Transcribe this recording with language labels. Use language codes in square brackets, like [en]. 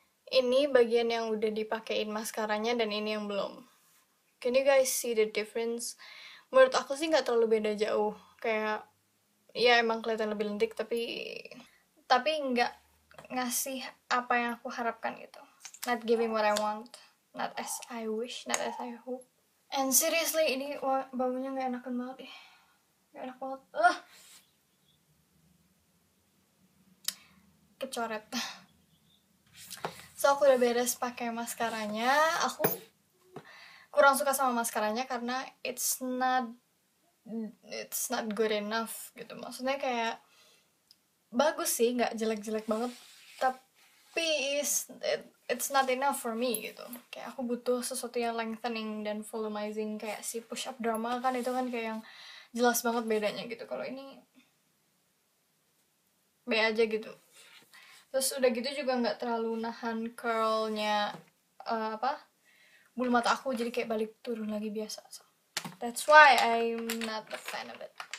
[id] Ini bagian yang udah dipakein maskaranya dan ini yang belum. [en] Can you guys see the difference? [id] Menurut aku sih nggak terlalu beda jauh. Kayak, ya emang kelihatan lebih lentik, tapi nggak ngasih apa yang aku harapkan gitu. [en] Not giving what I want. Not as I wish, not as I hope. And seriously, [id] ini baunya nggak enakan banget deh. Nggak enak banget. Kecoret. So, aku udah beres pakai maskaranya. Aku kurang suka sama maskaranya karena [en] it's not good enough [id] gitu. Maksudnya kayak bagus sih, nggak jelek-jelek banget, tapi [en] it's not enough for me [id] gitu. Kayak aku butuh sesuatu yang lengthening dan volumizing, kayak si push up drama kan, itu kan kayak yang jelas banget bedanya gitu. Kalau ini be aja gitu. Terus udah gitu juga nggak terlalu nahan curlnya apa bulu mata aku, jadi kayak balik turun lagi biasa. [en] So, that's why I'm not a fan of it.